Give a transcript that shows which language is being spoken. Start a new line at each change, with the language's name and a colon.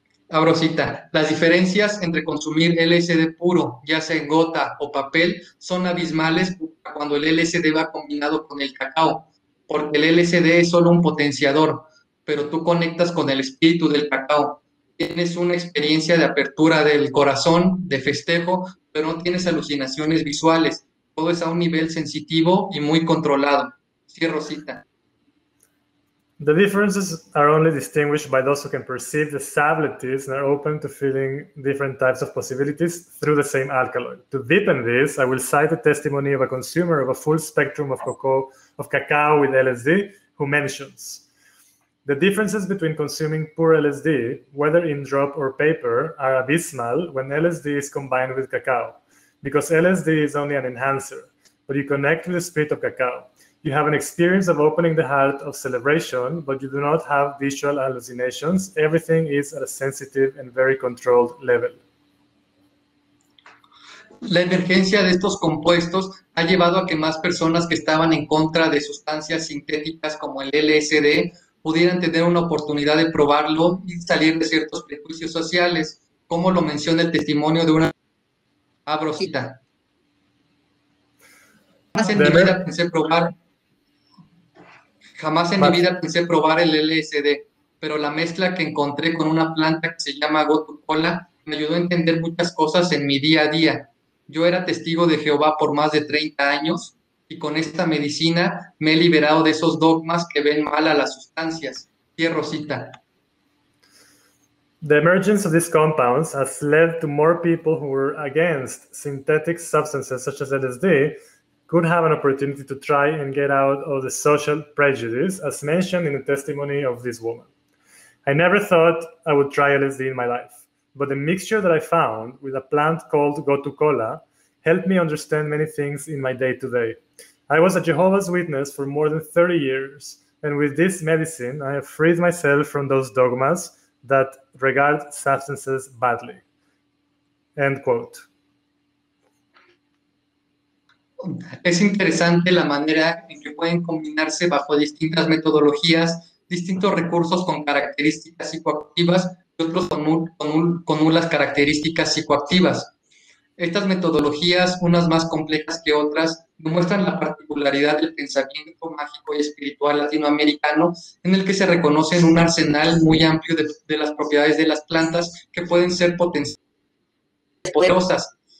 Spanish: Abrocita. Las diferencias entre consumir LSD puro, ya sea en gota o papel, son abismales cuando el LSD va combinado con el cacao, porque el LSD es solo un potenciador, pero tú conectas con el espíritu del cacao. Tienes una experiencia de apertura del corazón, de festejo, pero no tienes alucinaciones visuales. Todo es a un nivel sensitivo y muy controlado. Cierro cita.
English: The differences are only distinguished by those who can perceive the subtleties and are open to feeling different types of possibilities through the same alkaloid. To deepen this, I will cite the testimony of a consumer of a full spectrum of cacao with LSD who mentions, "The differences between consuming pure LSD, whether in drop or paper, are abysmal when LSD is combined with cacao, because LSD is only an enhancer, but you connect with the spirit of cacao. You have an experience of opening the heart of celebration, but you do not have visual hallucinations. Everything is at a sensitive and very controlled level."
Spanish: La emergencia de estos compuestos ha llevado a que más personas que estaban en contra de sustancias sintéticas como el LSD pudieran tener una oportunidad de probarlo y salir de ciertos prejuicios sociales, como lo menciona el testimonio de una... Abrocita. Jamás en mi vida pensé probar el LSD, pero la mezcla que encontré con una planta que se llama Gotu Kola me ayudó a entender muchas cosas en mi día a día. Yo era testigo de Jehová por más de 30 años y con esta medicina me he liberado de esos dogmas que ven mal a las sustancias. Cierro cita.
English: The emergence of these compounds has led to more people who were against synthetic substances such as LSD could have an opportunity to try and get out of the social prejudice, as mentioned in the testimony of this woman. "I never thought I would try LSD in my life, but the mixture that I found with a plant called Gotu Kola helped me understand many things in my day-to-day. I was a Jehovah's Witness for more than 30 years, and with this medicine, I have freed myself from those dogmas that regard substances badly." End quote.
Spanish: Es interesante la manera en que pueden combinarse bajo distintas metodologías, distintos recursos con características psicoactivas y otros con nulas características psicoactivas. Estas metodologías, unas más complejas que otras, demuestran la particularidad del pensamiento mágico y espiritual latinoamericano, en el que se reconoce un arsenal muy amplio de las propiedades de las plantas que pueden ser potenciales poderosas.